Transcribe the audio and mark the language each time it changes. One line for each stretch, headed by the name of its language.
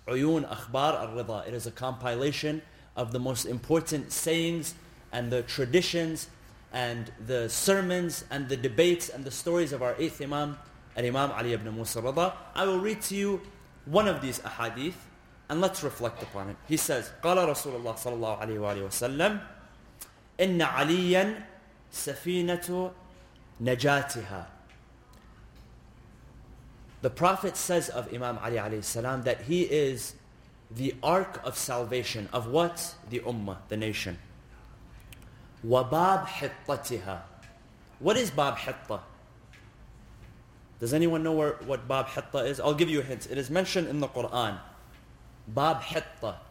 English: Uyun Akhbar al-Ridha. It is a compilation of the most important sayings and the traditions and the sermons and the debates and the stories of our 8th Imam, Al-Imam Ali ibn Musa al-Ridha. I will read to you one of these ahadith and let's reflect upon it. He says,
Arabic: قَالَ رَسُولَ اللَّهِ صَلَى اللَّهُ عَلَيْهِ وَسَلَّمْ إِنَّ عَلِيًّا سَفِينَةُ نَجَاتِهَا.
English: The Prophet says of Imam Ali alayhi salam that he is the ark of salvation of what? The ummah, the nation.
Arabic: وَبَابْ حِطَّتِهَا.
English: What is Bab Hitta? Does anyone know what Bab Hitta is? I'll give you a hint. It is mentioned in the Quran. Bab Hitta.